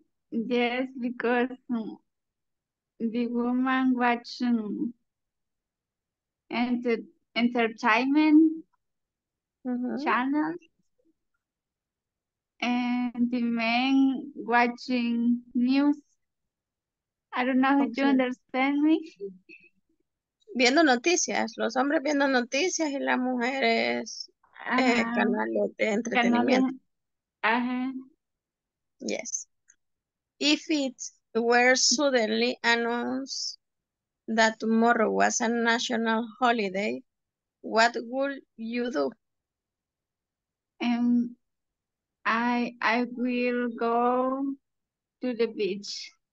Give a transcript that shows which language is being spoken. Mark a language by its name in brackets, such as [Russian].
[English] Yes, because the woman watching entertainment channels and the man watching news. I don't know if you understand me. [Spanish] Viendo noticias, los hombres viendo noticias y las mujeres canales de entretenimiento. [English] Yes. If it were suddenly announced that tomorrow was a national holiday, what would you do? I will go to the beach.